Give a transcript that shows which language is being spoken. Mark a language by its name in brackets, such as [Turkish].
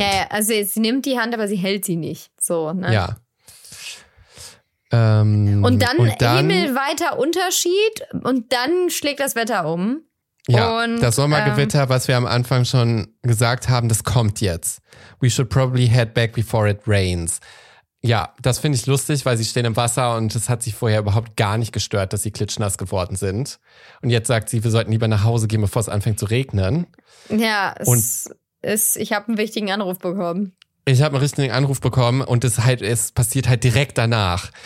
[German] Ja, also sie nimmt die Hand, aber sie hält sie nicht. So, ne? Ja. Und dann himmelweiter Unterschied und dann schlägt das Wetter um. Ja, und das Sommergewitter, was wir am Anfang schon gesagt haben, das kommt jetzt. [English] We should probably head back before it rains. [German] Ja, das finde ich lustig, weil sie stehen im Wasser und es hat sich vorher überhaupt gar nicht gestört, dass sie klitschnass geworden sind. Und jetzt sagt sie, wir sollten lieber nach Hause gehen, bevor es anfängt zu regnen. Ja, ich habe einen wichtigen Anruf bekommen. Ich habe einen richtigen Anruf bekommen und es passiert halt direkt danach.